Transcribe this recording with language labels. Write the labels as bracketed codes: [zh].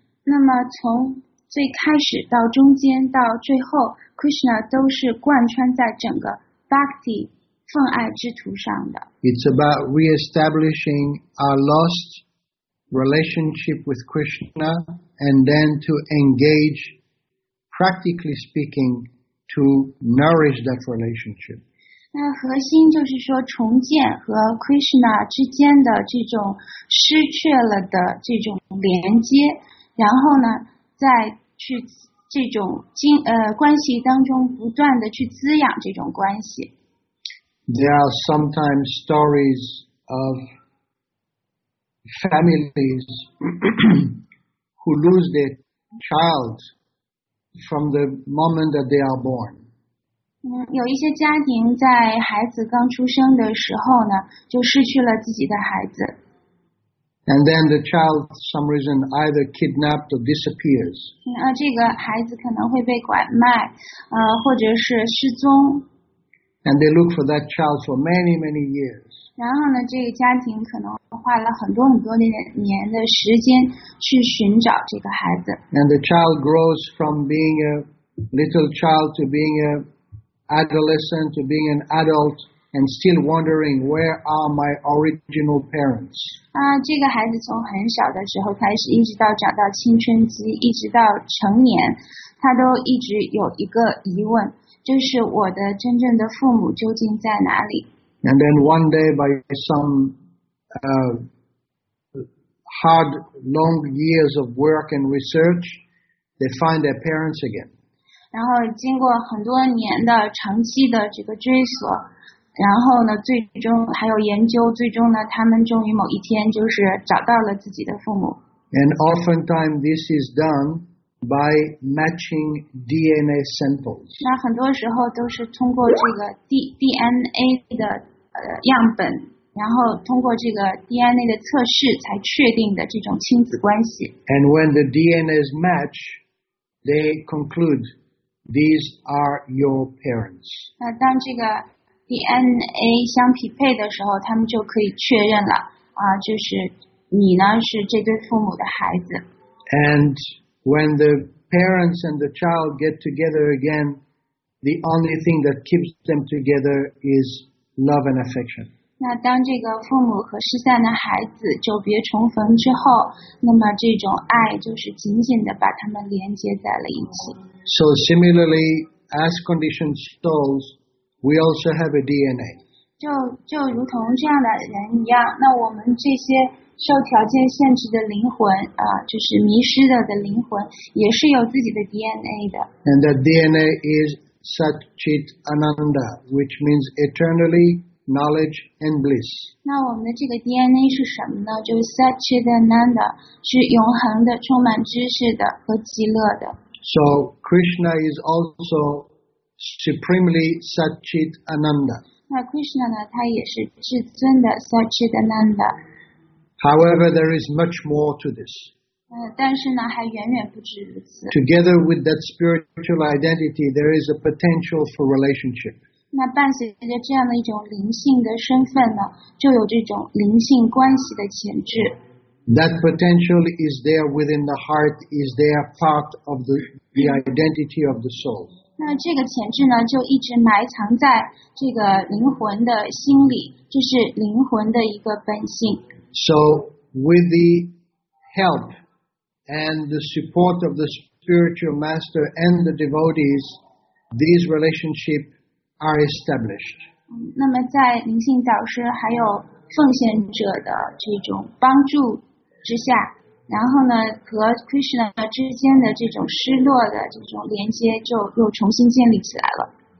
[zh] 那么从最开始到中间到最后， Krishna 都是贯穿在整个 Bhakti 奉爱之途上的。 [en] It's about reestablishing our lost relationship with Krishna and then to engage, practically speaking, to nourish that relationship. [zh] 那核心就是说重建和 Krishna 之间的这种失去了的这种连接，然后呢在去这种关系当中不断的去滋养这种关系。 [en] There are sometimes stories of families who lose their child from the moment that they are born. [zh] 有一些家庭在孩子刚出生的时候呢就失去了自己的孩子。 [en] And then the child for some reason either kidnapped or disappears. [zh] 这个孩子可能会被拐卖或者是失踪。 [en] And they look for that child for many, many years. [zh] 然后呢，这个家庭可能花了很多很多年的时间去寻找这个孩子。 [en] And the child grows from being a little child to being an adolescent to being an adult and still wondering where are my original parents. [zh] 这个孩子从很小的时候开始，一直到长到青春期，一直到成年，他都一直有一个疑问，就是我的真正的父母究竟在哪里？ [en] And then one day by some hard, long years of work and research, they find their parents again. [zh] 然后经过很多年的长期的这个追索，然后呢，最终还有研究，最终呢，他们终于某一天就是找到了自己的父母。 [en] And oftentimes this is done by matching DNA samples. [zh] 那很多时候都是通过这个 DNA 的样本，然后通过这个 DNA 的测试才确定的这种亲子关系。 [en] And when the DNAs match, they conclude these are your parents. [zh] 那当这个 DNA 相匹配的时候，他们就可以确认了就是你呢是这对父母的孩子。 [en] And when the parents and the child get together again, the only thing that keeps them together isLove and affection. [zh] 那当这个父母和失散的孩子久别重逢之后，那么这种爱就是紧紧的把他们连接在了一起。 [en] So similarly, as conditioned souls, we also have a DNA. [zh] 就如同这样的人一样，那我们这些受条件限制的灵魂就是迷失的灵魂，也是有自己的 DNA 的。 [en] And that DNA is. Satchit Ananda, which means eternally knowledge and bliss. [zh] 那我们的这个 DNA 是什么呢？就是 Satchit Ananda, 是永恒的，充满知识的和极乐的。 [en] So Krishna is also supremely Satchit Ananda. [zh] 那 Krishna 呢？他也是至尊的 Satchit Ananda. [en] However, there is much more to this. [zh] 但是呢还远远不止如此。 [en] Together with that spiritual identity, there is a potential for relationship. [zh] 那伴随着这样的一种灵性的身份呢，就有这种灵性关系的潜质。 [en] That potential is there within the heart, is there part of the identity of the soul. [zh] 那这个潜质呢就一直埋藏在这个灵魂的心里，就是灵魂的一个本性。 [en] So with the help,And the support of the spiritual master and the devotees, these relationships are established. [zh] 那么在灵性导师还有奉献者的这种帮助之下，然后呢和 Krishna 之间的这种失落的这种连接就又重新建立起来了。